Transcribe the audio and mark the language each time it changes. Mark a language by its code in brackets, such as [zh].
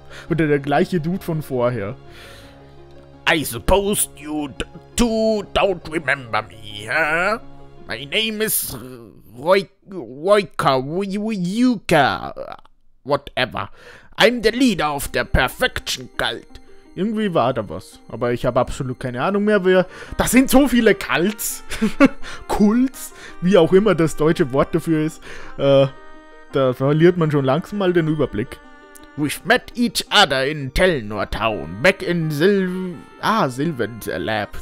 [de] Oder der gleiche Dude von vorher? [en] I suppose you two don't remember me, huh? My name is Yuka, whatever. I'm the leader of the Perfection Cult. [de] Irgendwie war da was. Aber ich habe absolut keine Ahnung mehr, wer. Da sind so viele Kults. Kults, wie auch immer das deutsche Wort dafür ist. Da verliert man schon langsam mal den Überblick. [en] We've met each other in Telnor Town, back in Sylvan's Lab.